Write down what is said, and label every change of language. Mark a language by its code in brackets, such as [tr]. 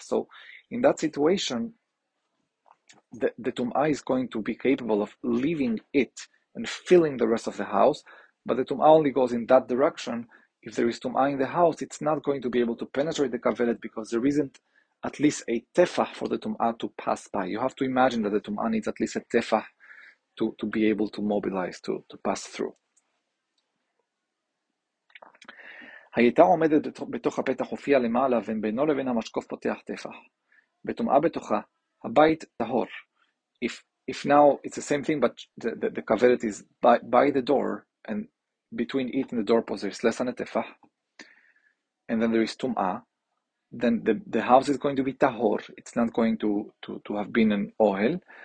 [en] So, in that situation, the tum'ah is going to be capable of leaving it and filling the rest of the house, but the tum'ah only goes in that direction. If there is tum'ah in the house, it's not going to be able to penetrate the kaveret because there isn't at least a tefach for the tum'ah to pass by. You have to imagine that the tum'ah needs at least a tefach to be able to mobilize, to pass through. [he] הייתה עומדת בתוך הפתח הופיעה למעלה ואין בינו לבין המשקוף פותח תפח. בתומעה בתוכה, הבית טהור. [en] If now it's the same thing, but the כוורת is by the door, and between it and the door post there is less than a tefach, and then there is tumah, then the house is going to be tahor, it's not going to have been an ohel.